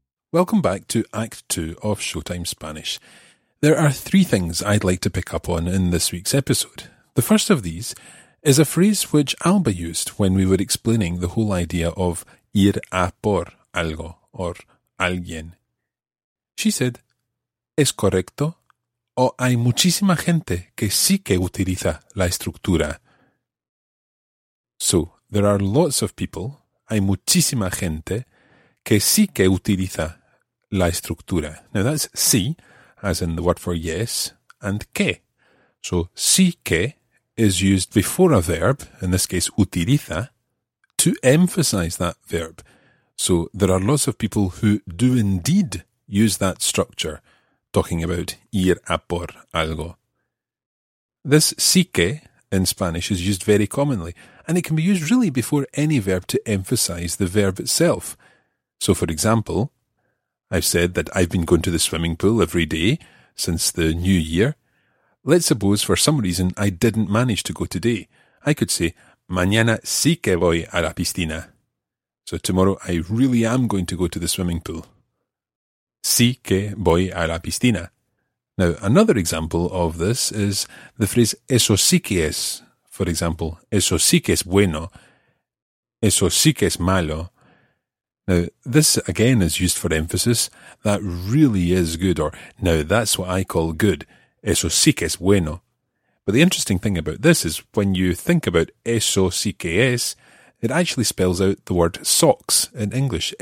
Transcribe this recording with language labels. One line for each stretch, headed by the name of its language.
English: Welcome back to Act 2 of Showtime Spanish. There are three things I'd like to pick up on in this week's episode. The first of these is a phrase which Alba used when we were explaining the whole idea of ir a por algo or alguien. She said,
Spanish: ¿Es correcto? ¿O hay muchísima gente que sí que utiliza la estructura?
English: So, there are lots of people,
Spanish: hay muchísima gente, que sí que utiliza la estructura.
English: Now that's sí, as in the word for yes, and que. So sí que is used before a verb, in this case utiliza, to emphasize that verb. So there are lots of people who do indeed use that structure, talking about ir a por algo. This sí que in Spanish is used very commonly, and it can be used really before any verb to emphasize the verb itself. So, for example, I've said that I've been going to the swimming pool every day since the new year. Let's suppose for some reason I didn't manage to go today. I could say,
Spanish: mañana sí que voy a la piscina.
English: So tomorrow I really am going to go to the swimming pool.
Spanish: Sí que voy a la piscina.
English: Now, another example of this is the phrase eso sí que es. For example,
Spanish: eso sí que es bueno. Eso sí que es malo.
English: Now, this again is used for emphasis. That really is good, or now that's what I call good.
Spanish: Eso sí que es bueno.
English: But the interesting thing about this is when you think about eso sí que es, it actually spells out the word socks in English.